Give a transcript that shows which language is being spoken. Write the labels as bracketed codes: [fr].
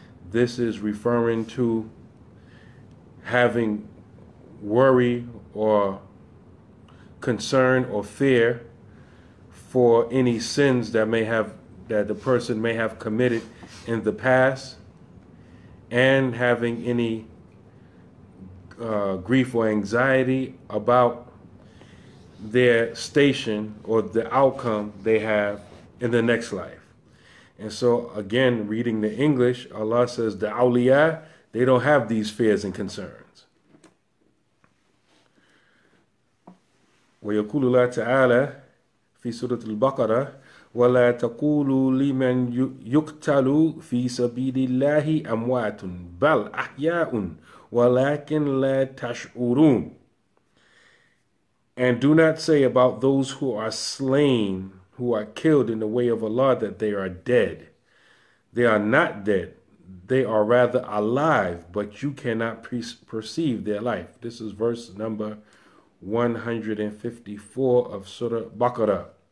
[en] This is referring to having worry or concern or fear for any sins that the person may have committed in the past, and having any grief or anxiety about their station or the outcome they have in the next life. And so again, reading the English, Allah says the awliya, they don't have these fears and concerns. [ar] ويقول الله تعالى في سورة البقرة ولا تقولوا لمن يقتل في سبيل الله أموات بل أحياء ولكن لا تشعرون. [en] And do not say about those who are slain, who are killed in the way of Allah, that they are dead. They are not dead. They are rather alive, but you cannot perceive their life. This is verse number 154 of Surah Baqarah.